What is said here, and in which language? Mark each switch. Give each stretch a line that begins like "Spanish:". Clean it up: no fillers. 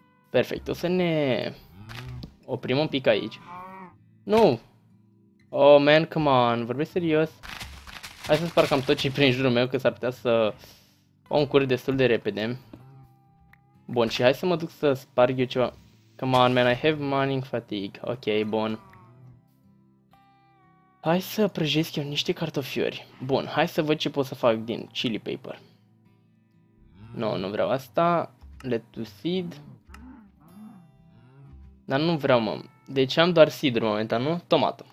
Romanian: Perfect, o să ne oprim un pic aici. Nu!
English: Oh, man, come on,
Romanian: vorbesc serios. Hai să spar cam tot ce-i prin jurul meu, că s-ar putea să o încurc destul de repede. Bun, și hai să mă duc să sparg eu ceva.
English: Come on, man, I have mining fatigue.
Romanian: Ok, bun. Hai să prăjesc eu niște cartofiori. Bun, hai să văd ce pot să fac din chili paper. Nu, nu vreau asta. Lettuce seed. Dar nu vreau, mă. Deci am doar seed în momentan, nu? Tomato.